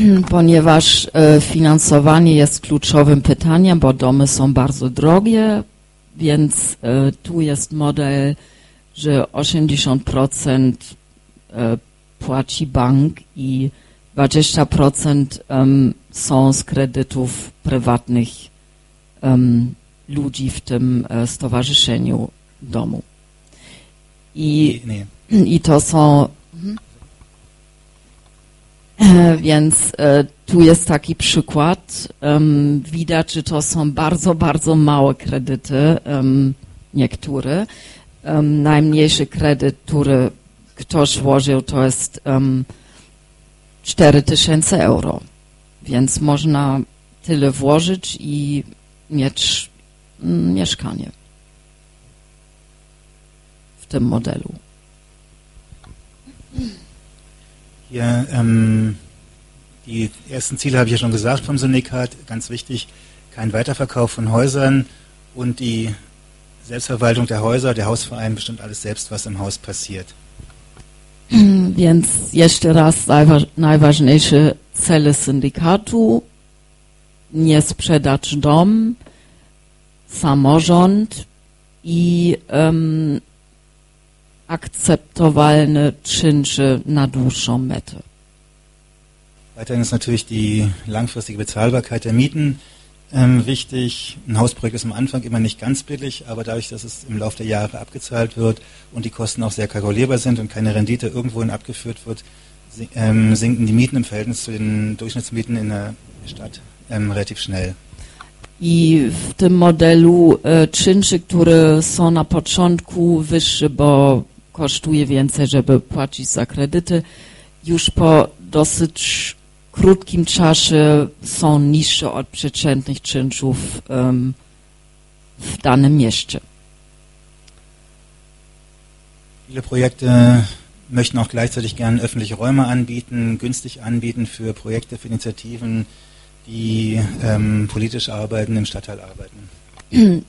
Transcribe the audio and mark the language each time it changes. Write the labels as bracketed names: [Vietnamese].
[Polish] Ponieważ finansowanie jest kluczowym pytaniem, bo domy są bardzo drogie, więc tu jest model, że 80% płaci bank i 20% są z kredytów prywatnych ludzi w tym stowarzyszeniu domu. I to są... Więc tu jest taki przykład. Widać, że to są bardzo, bardzo małe kredyty, niektóre. Najmniejszy kredyt, który ktoś włożył, to jest 4000 euro, więc można tyle włożyć i mieć mieszkanie w tym modelu. [German] Die ersten Ziele habe ich ja schon gesagt vom Syndikat, ganz wichtig, kein Weiterverkauf von Häusern und die Selbstverwaltung der Häuser, der Hausverein bestimmt alles selbst, was im Haus passiert. [Polish] Więc jeszcze raz najważniejsze cele syndikatu, nie sprzedać dom, samorząd i akceptowalne czynsze na dłuższą metę. [German] Weiterhin ist natürlich die langfristige Bezahlbarkeit der Mieten wichtig. Ein Hausprojekt ist am Anfang immer nicht ganz billig, aber dadurch, dass es im Laufe der Jahre abgezahlt wird und die Kosten auch sehr kalkulierbar sind und keine Rendite irgendwohin abgeführt wird, sinken die Mieten im Verhältnis zu den Durchschnittsmieten in der Stadt relativ schnell. [Polish] I w tym modelu czynsze, które są na początku wyższe, bo kosztuje więcej, żeby płacić za kredyty, już po dosyć krótkim czasie są niższe od przeciętnych czynszów w danym mieście. [German] Viele Projekte möchten auch gleichzeitig gerne öffentliche Räume anbieten, günstig anbieten für Projekte, für Initiativen, die politisch arbeiten, im Stadtteil arbeiten.